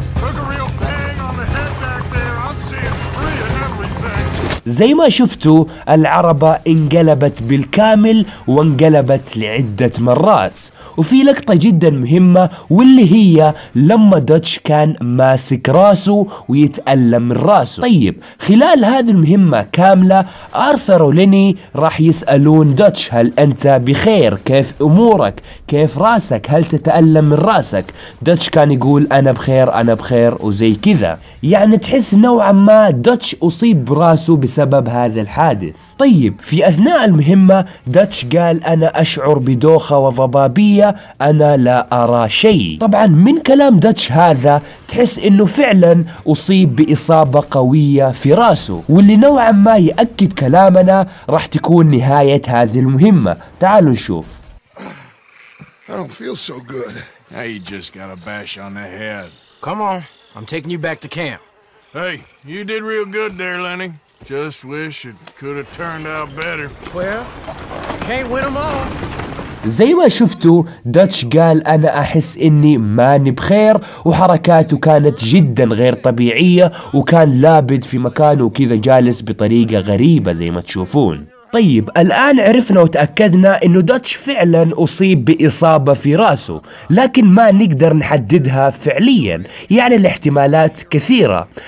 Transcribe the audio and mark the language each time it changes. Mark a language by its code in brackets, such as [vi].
[en] Took a real bang on the head back there. I'm seeing free of everything. [ar] زي ما شفتوا العربة انقلبت بالكامل وانقلبت لعدة مرات، وفي لقطة جدا مهمة واللي هي لما دوتش كان ماسك راسه ويتألم من راسه. طيب خلال هذه المهمة كاملة آرثر وليني راح يسألون دوتش: هل أنت بخير؟ كيف أمورك؟ كيف راسك؟ هل تتألم من راسك؟ دوتش كان يقول: أنا بخير أنا بخير، وزي كذا. يعني تحس نوعا ما دوتش أصيب براسه سبب هذا الحادث. طيب في أثناء المهمة داتش قال: أنا أشعر بدوخة وضبابية، أنا لا أرى شيء. طبعا من كلام داتش هذا تحس إنه فعلا أصيب بإصابة قوية في راسه، واللي نوعا ما يأكد كلامنا راح تكون نهاية هذه المهمة. تعالوا نشوف. [en] I don't feel so good. You just got a bash on the head. Come on, I'm taking you back to camp. Hey, you did real good there, Lenny. Just wish it could have turned out better. Well, can't win them all. [ar] زي ما شفتوا داتش قال: أنا أحس إني ماني بخير، وحركاته كانت جدا غير طبيعية، وكان لابد في مكانه كذا جالس بطريقة غريبة زي ما تشوفون. طيب الآن عرفنا وتأكدنا إنه داتش فعلا أصيب بإصابة في راسه، لكن ما نقدر نحددها فعليا، يعني الاحتمالات كثيرة.